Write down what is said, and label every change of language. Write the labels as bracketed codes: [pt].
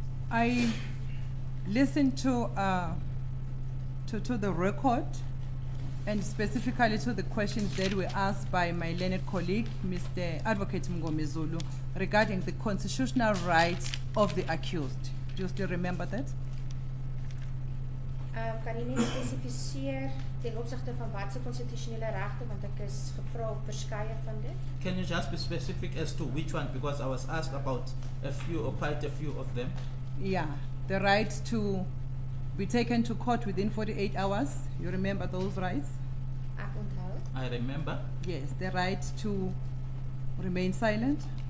[en] Okay. I listened to the record and specifically to the questions that were asked by my learned colleague, Mr. Advocate Mngome Zulu, regarding the constitutional rights of the accused. Do you still remember that? [af] Kan jy nie spesifiseer ten opsigte van wat se konstitusionele regte, want ek is gevra op verskeie van dit? [en] Can you just be specific as to which one, because I was asked about a few or quite a few of them? Yeah, the right to be taken to court within 48 hours. You remember those rights? [af] Ek onthou. [en] I remember. Yes, the right to remain silent.